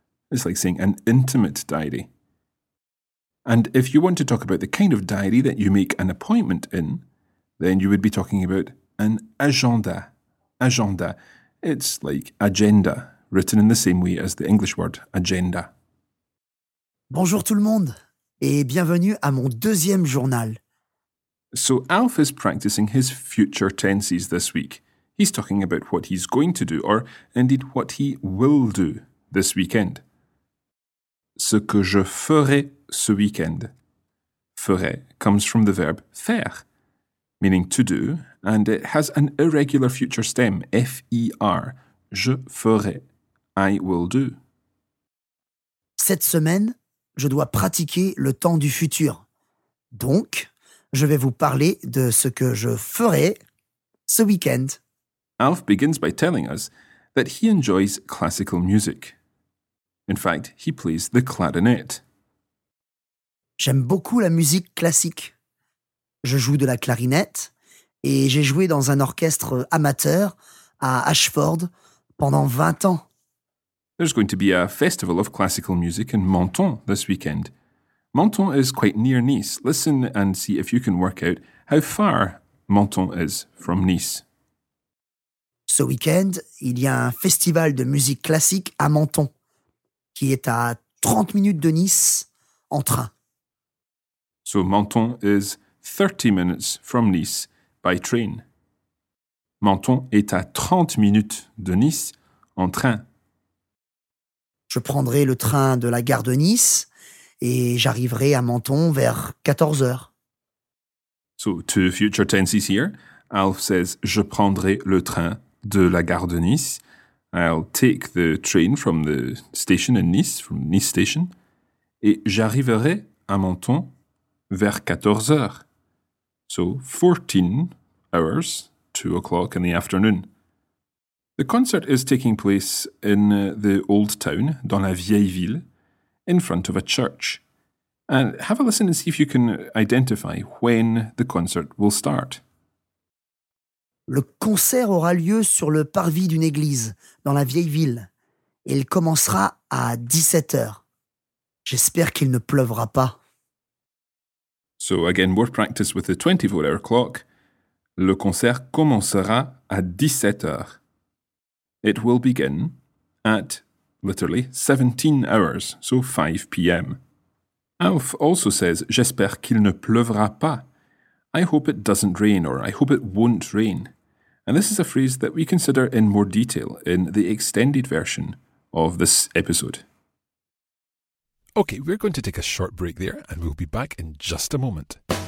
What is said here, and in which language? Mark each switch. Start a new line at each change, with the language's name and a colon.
English: It's like saying an intimate diary. And if you want to talk about the kind of diary that you make an appointment in, then you would be talking about an agenda. Agenda. It's like agenda, written in the same way as the English word agenda.
French: Bonjour tout le monde, et bienvenue à mon deuxième journal.
English: So Alf is practicing his future tenses this week. He's talking about what he's going to do, or indeed what he will do, this weekend.
French: ce que je ferai ce week-end.
English: Ferai comes from the verb faire, meaning to do, and it has an irregular future stem, F-E-R.
French: Je ferai.
English: I will do.
French: Cette semaine, je dois pratiquer le temps du futur. Donc, je vais vous parler de ce que je ferai ce week-end.
English: Alf begins by telling us that he enjoys classical music. In fact, he plays the clarinet.
French: J'aime beaucoup la musique classique. Je joue de la clarinette et j'ai joué dans un orchestre amateur à Ashford pendant 20 ans.
English: There's going to be a festival of classical music in Menton this weekend. Menton is quite near Nice. Listen and see if you can work out how far Menton is from Nice.
French: Ce week-end, il y a un festival de musique classique à Menton, qui est à 30 minutes de Nice en train.
English: So Menton is 30 minutes from Nice by train.
French: Menton est à 30 minutes de Nice en train. Je prendrai le train de la gare de Nice et j'arriverai à Menton vers 14 heures.
English: So two future tenses here. Alf says,
French: je prendrai le train de la gare de Nice.
English: I'll take the train from the station in Nice, from Nice station.
French: Et j'arriverai à Menton vers 14 heures.
English: So 14 hours, 2 o'clock in the afternoon. The concert is taking place in the old town,
French: dans la vieille ville,
English: in front of a church. And have a listen and see if you can identify when the concert will start.
French: Le concert aura lieu sur le parvis d'une église, dans la vieille ville. Il commencera à 17 heures. J'espère qu'il ne pleuvra pas.
English: So again, more practice with the 24-hour clock.
French: Le concert commencera à 17 heures.
English: It will begin at, literally, 17 hours, so 5 p.m. Alf also says,
French: j'espère qu'il ne pleuvra pas.
English: I hope it doesn't rain, or I hope it won't rain. And this is a phrase that we consider in more detail in the extended version of this episode. Okay, we're going to take a short break there, and we'll be back in just a moment.